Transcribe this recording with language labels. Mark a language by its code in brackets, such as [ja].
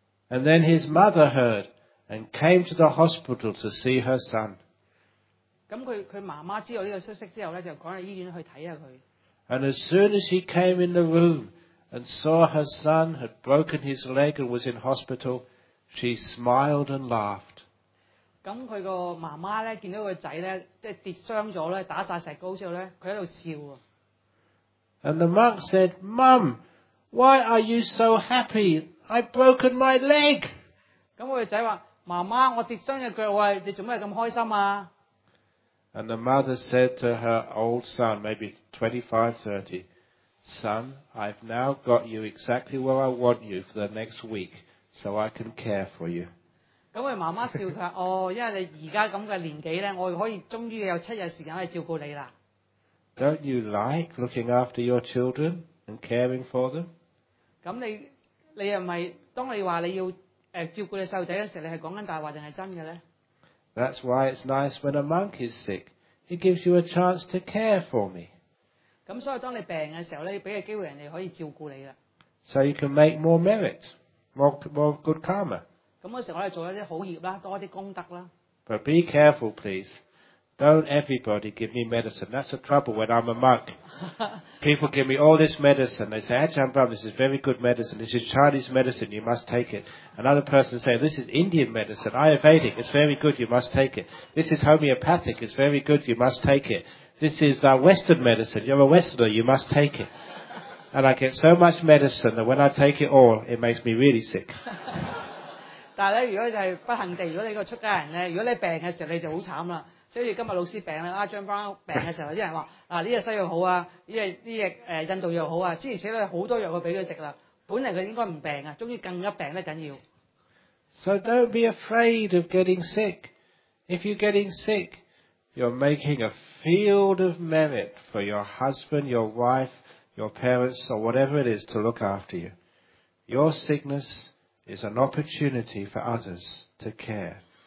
[en] And then his mother heard and came to the hospital to see her son. [yue] 咁佢媽媽知道呢個消息之後咧，就趕去醫院去睇下佢。 [en] And as soon as she came in the room and saw her son had broken his leg and was in hospital, she smiled and laughed. [yue] 咁佢個媽媽咧見到個仔咧，即係跌傷咗咧，打曬石膏之後咧，佢喺度笑啊。 [en] And the monk said, "Mum, why are you so happy? I've broken my leg." [yue] 咁個仔話：媽媽，我跌傷只腳啊，你做咩咁開心啊 [en] ？And the mother said to her old son, maybe 25, 30, "Son, I've now got you exactly where I want you for the next week, so I can care for you." [yue] 咁佢媽媽笑佢話：哦，因為你而家咁嘅年紀咧，我可以終於有7日時間去照顧你啦。 [en] Don't you like looking after your children and caring for them？ [yue] 咁你係咪當你話你要照顧你細路仔嗰時，你係講緊大話定係真嘅咧 [en] ？That's why it's nice when a monk is sick. It gives you a chance to care for me. [yue] 咁所以當你病嘅時候咧，俾個機會人哋可以照顧你啦。 [en] So you can make more merit, more good karma. [yue] 咁嗰時我哋做一啲好業啦，多啲功德啦。 [en] But be careful, please. Don't everybody give me medicine. That's the trouble when I'm a monk. People give me all this medicine. They say, "Ajahn Brahm, this is very good medicine. This is Chinese medicine. You must take it." Another person says, "This is Indian medicine. Ayurvedic. It's very good. You must take it. This is homeopathic. It's very good. You must take it. This is Western medicine. You're a Westerner. You must take it." And I get so much medicine that when I take it all, it makes me really sick. [yue] 但係如果係不幸地，如果你個出家人咧，如果你病嘅時候，你就好慘啦。即係好似今日老師病啦，阿張邦病嘅時候，啲人話：啊，呢只西藥好啊，呢只印度藥好啊，之前寫咗好多藥佢俾佢食啦。本嚟佢應該唔病啊，終於更加病得緊要。 [en] So don't be afraid of getting sick. If you're getting sick, you're making a field of merit for your husband, your wife, your parents, or whatever it is to look after you. Your sickness. Is an opportunity for others to care.